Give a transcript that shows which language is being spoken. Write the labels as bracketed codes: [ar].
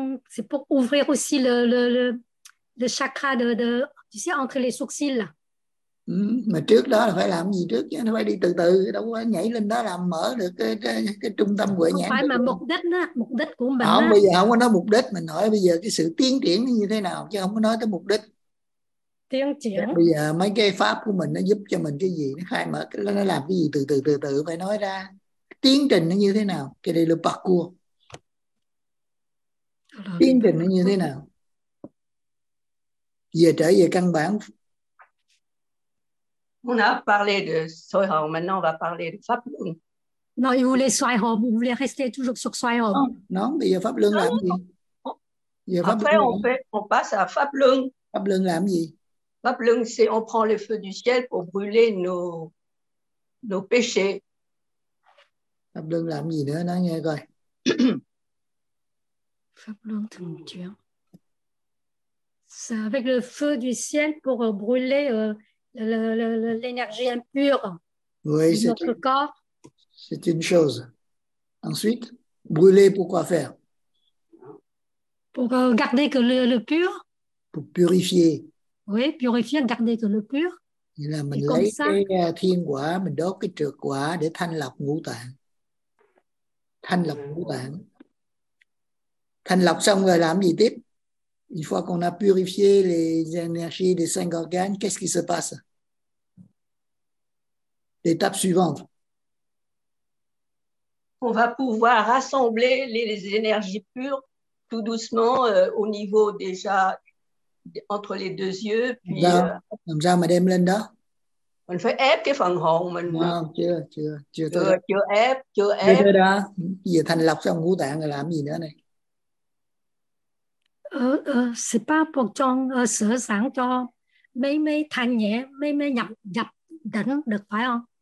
[fr] c'est pour ouvrir aussi le chakra de tu sais entre les sourcils. [vi] Mà trước đó là phải làm gì trước chứ, nó phải đi từ từ, đâu có nhảy lên đó làm mở được cái trung tâm của nhãn. Phải mà mục đích đó, mục đích của mình. Không, bây giờ không có nói mục đích, mình hỏi bây giờ cái sự tiến triển nó như thế nào chứ không có nói tới mục đích. Tiến triển. Bây giờ mấy cái pháp của mình nó giúp cho mình cái gì, nó khai mở, nó làm cái gì từ từ phải nói ra. Tiến trình nó như thế nào? Cái đây là parkour. tiến trình nó như thế nào, về trở về căn bản. [fr] On a parlé de soi homme, maintenant on va parler de pháp luân. Non, il voulait soi homme, vous voulez rester toujours sur soi homme. [vi] Non, bây giờ pháp luân làm gì? [fr] Après on fait, on passe à pháp luân. [vi] Pháp luân làm gì? [fr] Pháp luân c'est on prend le feu du ciel pour brûler nos péchés. [vi] Pháp luân làm gì nữa, nói nghe coi. Pháp luân thường chuyển. [fr] C'est avec le feu du ciel pour brûler l'énergie impure oui, de notre corps. C'est une chose. Ensuite, brûler pour quoi faire? Pour garder que le pur. Pour purifier. Oui, purifier, garder que le pur. Et là, [vi] mình lấy cái thiên quả, mình đốt cái trược quả để thanh lọc ngũ tạng. Thanh lọc ngũ tạng. Thanh lọc xong rồi làm gì tiếp? [fr] Une fois qu'on a purifié les énergies des cinq organes, qu'est-ce qui se passe? L'étape suivante. On va pouvoir rassembler les énergies pures tout doucement au niveau déjà entre les deux yeux. Puis, [vi] làm sao mà đem lên đó? Mình phải ép cái phần hồn mình. Không, chưa ép. Giờ thành lọc trong ngũ tạng rồi làm gì nữa này? [fr] C'est pas pour [vi] trong sửa sáng cho mấy thanh nhẹ mấy nhập đẳng được phải không?